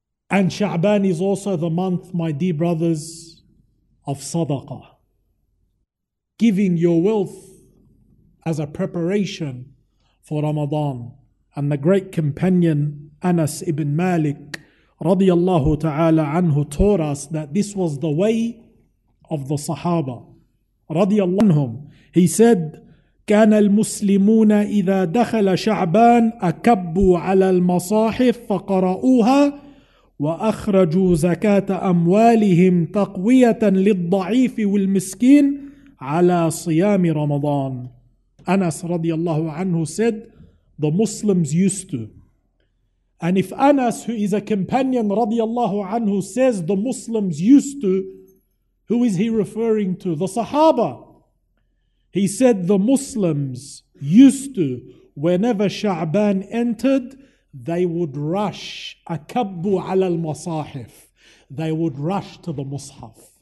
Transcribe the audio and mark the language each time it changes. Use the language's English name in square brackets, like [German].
[English] And Sha'ban is also the month, my dear brothers, of sadaqah, giving your wealth as a preparation for Ramadan. And the great companion Anas ibn Malik radiyallahu ta'ala anhu taught us that this was the way of the Sahaba radiyallahu anhum. He said, [Arabic] كان المسلمون إذا دخل شعبان أكبوا على المصاحف فقرأوها وأخرجوا زكاة أموالهم تقوية للضعيف والمسكين على صيام رمضان. [English] Anas radiallahu anhu said, the Muslims used to. And if Anas, who is a companion radiallahu anhu, says the Muslims used to, who is he referring to? The Sahaba. He said the Muslims used to, whenever Sha'ban entered, they would rush, [Arabic] akabbu ala al-masahif, [English] they would rush to the Mus'haf.